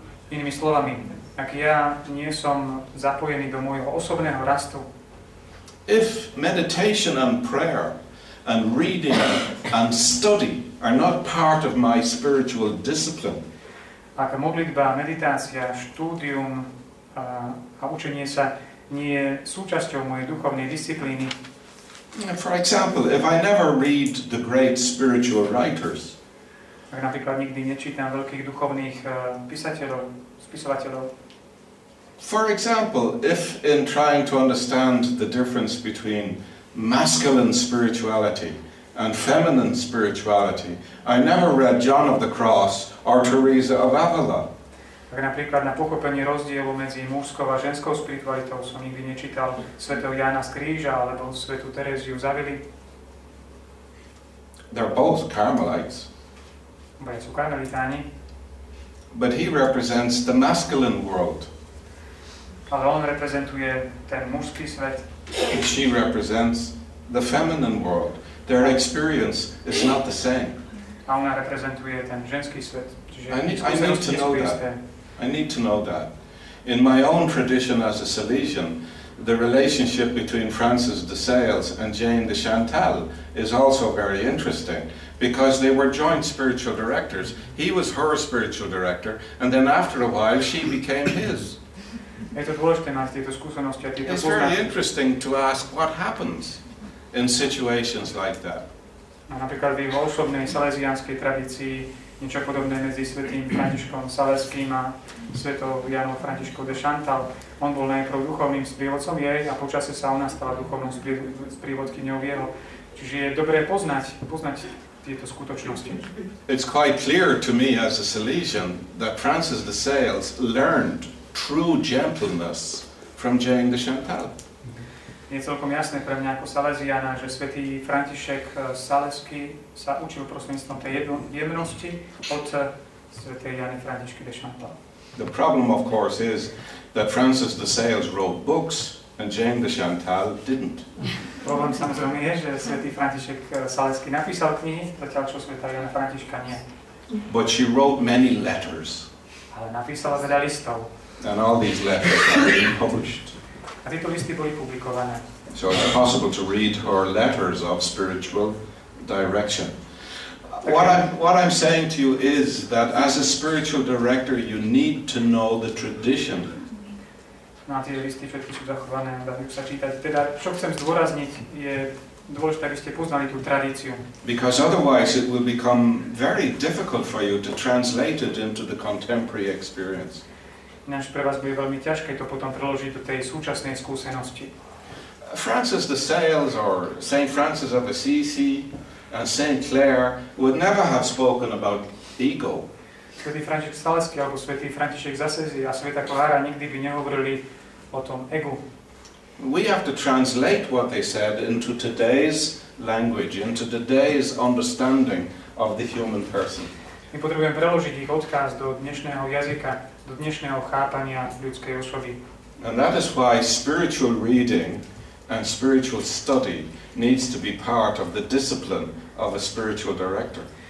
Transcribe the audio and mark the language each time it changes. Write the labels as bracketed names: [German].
[Slovak] inými slovami, ak ja nie som zapojený do môjho osobného rastu, [English] if meditation and prayer and reading and study are not part of my spiritual discipline, [Slovak] ak modlitba, meditácia, štúdium a učenie sa nie je súčasťou mojej duchovnej disciplíny. [English] For example, if I never read the great spiritual writers, [Slovak] ak napríklad nikdy nečítam veľkých duchovných písateľov, spisovateľov. [English] For example, if in trying to understand the difference between masculine spirituality and feminine spirituality, I never read John of the Cross or Teresa of Avila. [Slovak] Tak napríklad na pochopenie rozdielu medzi mužskou a ženskou spiritualitou som nikdy nečítal svätého Jána z Kríža alebo svätú Tereziu z Avily. [English] They're both Carmelites. [Slovak] Obaj sú karmelitáni. [English] But he represents the masculine world. [Slovak] Ale on reprezentuje ten mužský svet. [English] And she represents the feminine world. Their experience is not the same. [Slovak] A ona reprezentuje ten ženský svet. [English] I need to know that. In my own tradition as a Salesian, the relationship between Frances de Sales and Jane de Chantal is also very interesting because they were joint spiritual directors. He was her spiritual director, and then after a while she became his. It's very interesting to ask what happens in situations like that. [Slovak] Napríklad v osobnej salesianskej tradícii niečo podobné medzi svätým Františkom Saleským a svätou Janou Františkou de Chantal. On bol najprv duchovným sprievodcom jej a počasie sa ona stala duchovnou sprievodkyňou jeho. Čiže je dobré poznať tieto skutočnosti. [English] It's quite clear to me as a Salesian that Francis de Sales learned true gentleness from Jane de Chantal. [Slovak] Je celkom jasné pre mňa ako Salesiana, že svätý František Salesky sa učil prostredníctvom tej jemnosti od svätej Jany Františky de Chantal. [English] The problem of course is that Francis de Sales wrote books and Jane de Chantal didn't. [Slovak] Problém samozrejme je, že svätý František Salesky napísal knihy, zatiaľ čo svätá Jana Františka nie. [English] But she wrote many letters. [Slovak] Ale napísala veľa listov. [English] And all these letters are being published. [Slovak] A tieto listy boli publikované. [English] So it's possible to read her letters of spiritual direction. Okay. What I'm saying to you is that as a spiritual director you need to know the tradition. [Slovak] No, tie listy všetky sú zachované, dajú sa čítať. Teda, čo chcem zdôrazniť, je dôležité, aby ste poznali tú tradíciu. [English] Because otherwise it will become very difficult for you to translate it into the contemporary experience. [Slovak] Ináč pre vás bude veľmi ťažké to potom preložiť do tej súčasnej skúsenosti. [English] Francis de Sales or St. Francis of Assisi and St. Clair would never have spoken about ego. [Slovak] Svätý František Salesky alebo svätý František z Assisi a svätá Klára nikdy by nehovorili o tom egu. [English] We have to translate what they said into today's language, into today's understanding of the human person. [Slovak] My potrebujeme preložiť ich odkaz do dnešného jazyka, do dnešného chápania ľudskej osoby. [English] And that is why spiritual reading and spiritual study needs to be part of the discipline of a spiritual director.